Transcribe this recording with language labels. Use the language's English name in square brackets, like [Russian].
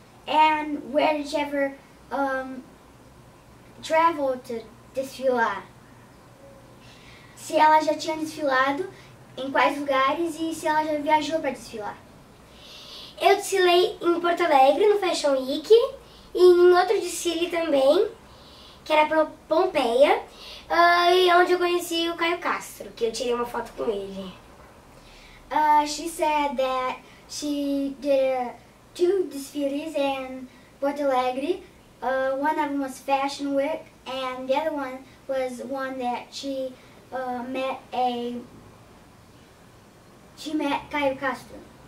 [English] And where did she ever travel to desfilar? [Portuguese] Se ela já tinha desfilado, em quais lugares e se ela já viajou para desfilar? Eu desfilei em Porto Alegre, no Fashion Week, e em outro desfile também, que era para Pompeia, e onde eu conheci o Caio Castro, que eu tirei uma foto com ele. [English] She said that she did two desfiles in Porto Alegre. One of them was Fashion Week, and the other one was one that she met Caio Castro.